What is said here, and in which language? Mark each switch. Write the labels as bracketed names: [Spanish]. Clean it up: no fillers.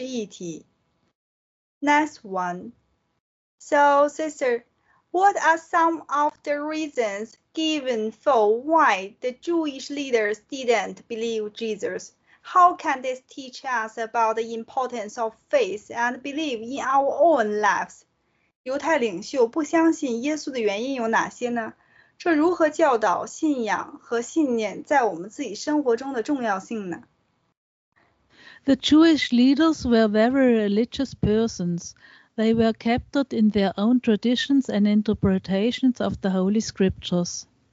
[Chinese] 第一条就是耶稣、天父、圣灵是三位一体的神。第二条则是耶稣完全按照天父的旨意行事，所以他可以说他们是一体。 [English] Next one. So, sister, what are some of the reasons given for why the Jewish leaders didn't believe Jesus? How can this teach us about the importance of faith and belief in our own lives? [Chinese] 犹太领袖不相信耶稣的原因有哪些呢？这如何教导信仰和信念在我们自己生活中的重要性呢？ [English] The Jewish leaders were very religious persons. They were captured in their own traditions and interpretations of the Holy Scriptures.